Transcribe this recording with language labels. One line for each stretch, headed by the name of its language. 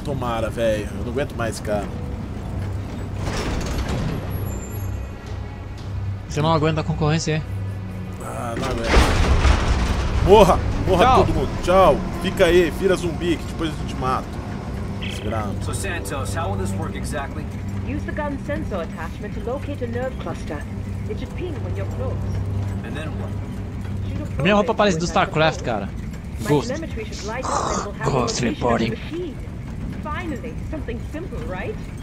Portuguese: tomara, velho. Eu não aguento mais, cara. Você não aguenta a concorrência, é? Ah, não aguento. Morra! Morra tchau. Todo mundo! Tchau! Fica aí, vira zumbi, que depois eu te mato. Desgraça.
English: So Santos, how will this work exactly? Use the gun sensor attachment to locate a nerve cluster. It should ping when you're close. And then what?
Portuguese: A minha roupa parece do StarCraft, cara.
English: Ghost. Ghost reporting. Finally, something simple, right?